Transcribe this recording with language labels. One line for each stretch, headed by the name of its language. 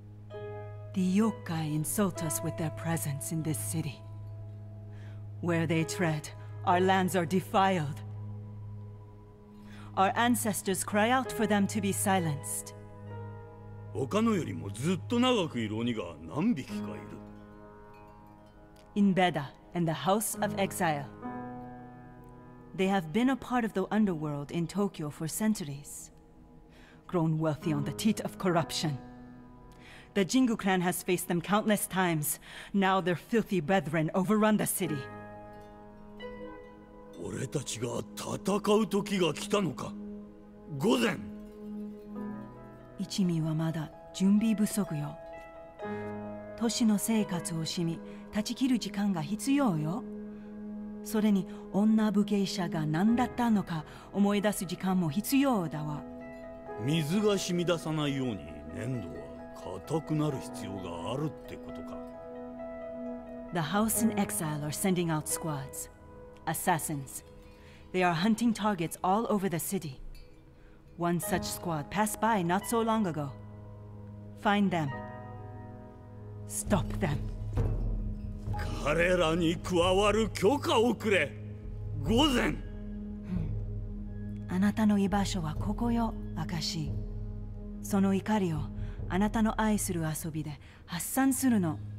English: The Yokai insult us with their presence in this city. Where they tread, our lands are defiled. Our ancestors cry out for them to be silenced.
Japanese: 他のよりもずっと長くいる鬼が何匹かいる。
English: In Beda and the House of Exile. They have been a part of the underworld in Tokyo for centuries. Grown wealthy on the teat of corruption. The Jingu clan has faced them countless times. Now their filthy brethren overrun the city.
Japanese: 俺たちが戦う時が来たのか。午前。一味はまだ準備不足よ。都市の生活を染み、断ち切る時間が必要よ。それに女武芸者が何だったのか思い出す時間も必要だわ。水が染み出さないように粘土は。固くなる必要があるってことか。
English: The House in Exile are sending out squads. Assassins. They are hunting targets all over the city. One such squad passed by not so long ago. Find them. Stop them.
Japanese: 彼らに加わる許可をくれ。午前。あなたの居場所はここよ、明石。その怒りを。あなたの愛する遊びで発散するの。